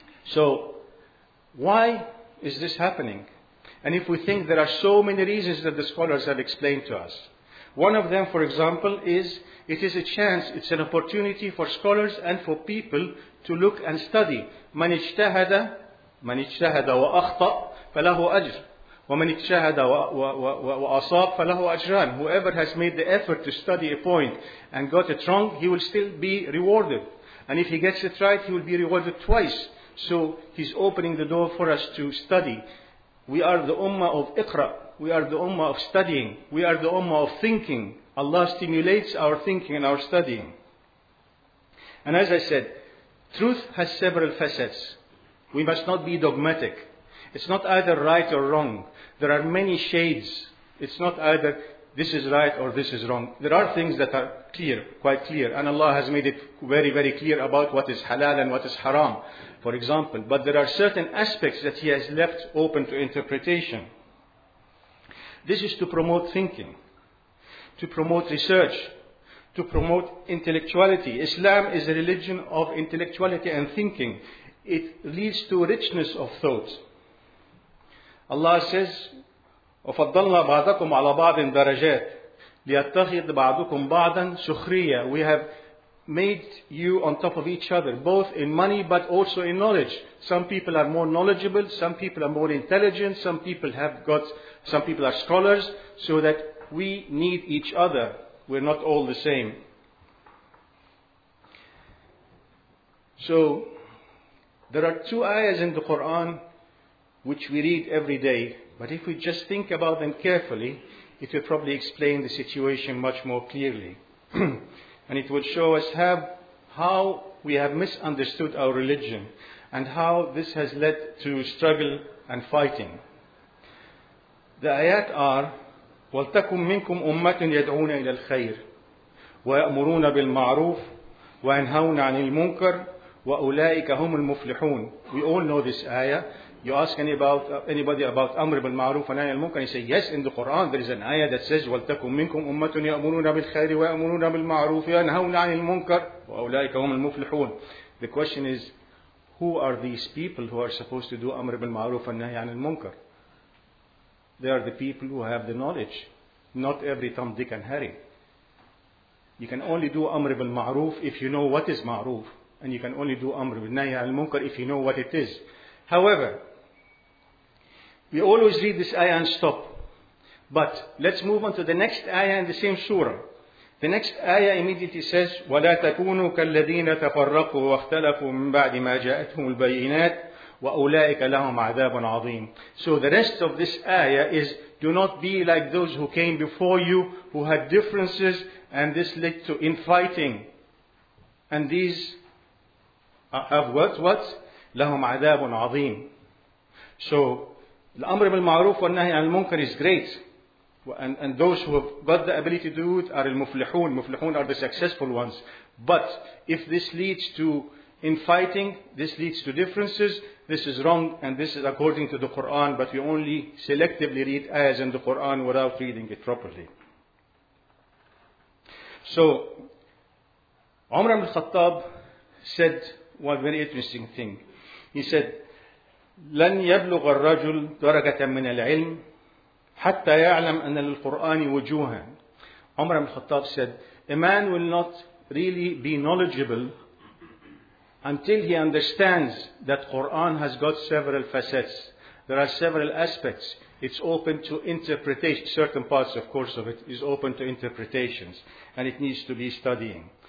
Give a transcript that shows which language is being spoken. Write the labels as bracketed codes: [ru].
[en] So, why is this happening? And if we think there are so many reasons that the scholars have explained to us, One of them, for example, is it is a chance, it's an opportunity for scholars and for people to look and study. [ar] من اجتهد وأخطأ فله أجر ومن اجتهد وأصاب فله أجران. [en] Whoever has made the effort to study a point and got it wrong, he will still be rewarded. And if he gets it right, he will be rewarded twice. So he's opening the door for us to study. We are the ummah of Iqra. We are the ummah of studying. We are the ummah of thinking. Allah stimulates our thinking and our studying. And as I said, truth has several facets. We must not be dogmatic. It's not either right or wrong. There are many shades. It's not either this is right or this is wrong. There are things that are clear, quite clear. And Allah has made it very, very clear about what is halal and what is haram, for example. But there are certain aspects that He has left open to interpretation. This is to promote thinking, to promote research, to promote intellectuality. Islam is a religion of intellectuality and thinking. It leads to richness of thought. Allah says, [ar] وَفَضَّلْنَا بَعْضَكُمْ عَلَى بَعْضٍ دَرَجَاتٍ لِيَتَّخِذْ بَعْضُكُمْ بَعْضًا سُخْرِيًا. [en] We have made you on top of each other, both in money but also in knowledge. Some people are more knowledgeable, some people are more intelligent, some people are scholars, so that we need each other. We're not all the same. So, there are two ayahs in the Quran which we read every day, but if we just think about them carefully, it will probably explain the situation much more clearly. And it will show us how we have misunderstood our religion and how this has led to struggle and fighting. The ayat are, [ar] وَلْتَكُمْ مِنْكُمْ أُمَّةٌ يَدْعُونَ إِلَى الْخَيْرِ وَيَأْمُرُونَ بِالْمَعْرُوفِ وَيَنْهَوْنَ عَنِ الْمُنْكَرِ وَأُولَٰئِكَ هُمُ الْمُفْلِحُونَ. [en] We all know this ayah. You ask anybody about [ar] أَمْرِ بِالْمَعْرُوفِ وَنَهْيَ عَنِ الْمُنْكَرِ, [en] you say, yes, in the Quran there is an ayah that says, [ar] وَلْتَكُمْ مِنْكُمْ أُمَّةٌ يَأْمُرُونَ بِالْخَيْرِ وَيَأْمُرُونَ بِالْمَعْرُوفِ وَيَنْهَوْنَ عَنِ الْمُنْكَرِ وَأُولَٰئِكَ هُمُ الْمُفْلِحُونَ. [en] The question is, who are these people who are supposed to do [ar] أَمْرِ بِالْمَعْرُوفِ وَنَهْيَ عَنِ الْمُنْكَرِ? [en] They are the people who have the knowledge. Not every Tom, Dick and Harry. You can only do Amr bil Ma'roof if you know what is Ma'roof. And you can only do Amr bil Nahy al-Munkar if you know what it is. However, we always read this ayah and stop. But let's move on to the next ayah in the same surah. The next ayah immediately says, [ar] وَلَا تَكُونُوا كَالَّذِينَ تَفَرَّقُوا وَاخْتَلَفُوا مِنْ بَعْدِ مَا جَاءَتْهُمُ الْبَيِّنَاتِ وَأُولَٰئِكَ لَهُمْ عَذَابٌ عَظِيمٌ. [en] So the rest of this ayah is, do not be like those who came before you, who had differences, and this led to infighting. And these have what? [ar] لَهُمْ عَذَابٌ عَظِيمٌ. So, الْأَمْرِ بِالْمَعْرُوفِ وَالنَّهِي عَنِ الْمُنْكَرِ [en] is great. And those who have got the ability to do it are المفلحون. المفلحون are the successful ones. But if this leads to infighting, this leads to differences, this is wrong, and this is according to the Quran, but we only selectively read ayahs in the Quran without reading it properly. So, Umar ibn al-Khattab said one very interesting thing. He said, [ar] لَنْ يَبْلُغَ الرَّجُلْ دَرَجَةً مِنَ الْعِلْمِ حَتَّى يَعْلَمْ أَنَّ الْقُرْآنِ وُجُوهًا. [en] Umar ibn al-Khattab said, a man will not really be knowledgeable until he understands that Quran has got several facets. There are several aspects. It's open to interpretation. Certain parts, of course, of it is open to interpretations. And it needs to be studying.